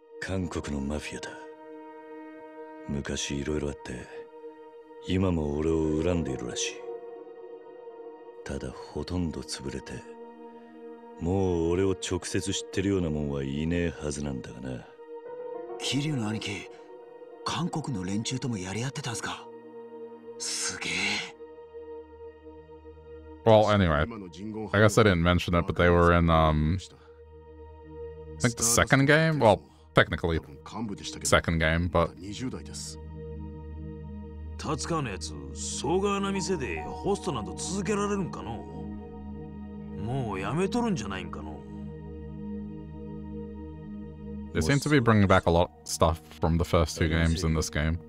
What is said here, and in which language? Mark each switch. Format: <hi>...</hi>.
<ja>韓国のマフィアだ。昔いろいろあって今も俺を恨んでいるらしい。ただほとんど潰れてもう俺を直接知ってるようなもんはいねえはずなんだがな。桐生の兄貴、韓国の連中ともやり合ってたんすか。すげえ。</ja> <en>Well, anyway, I guess I didn't mention it, but they were in, I think the second game? Well, technically, second game, but...</en> <ja>タツカのやつ、ソーガーな店でホストなど続けられるんかの? もうやめとるんじゃないんかの?</ja> <en>They seem to be bringing back a lot of stuff from the first two games in this game.</en>